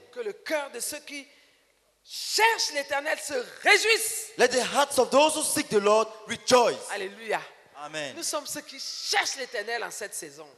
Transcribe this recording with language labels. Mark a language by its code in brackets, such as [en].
[fr] Que le cœur de ceux qui cherchent l'Éternel se réjouisse. [en] Let the hearts of those who seek the Lord rejoice. [fr] Alléluia. Amen. Nous sommes ceux qui cherchent l'Éternel en cette saison.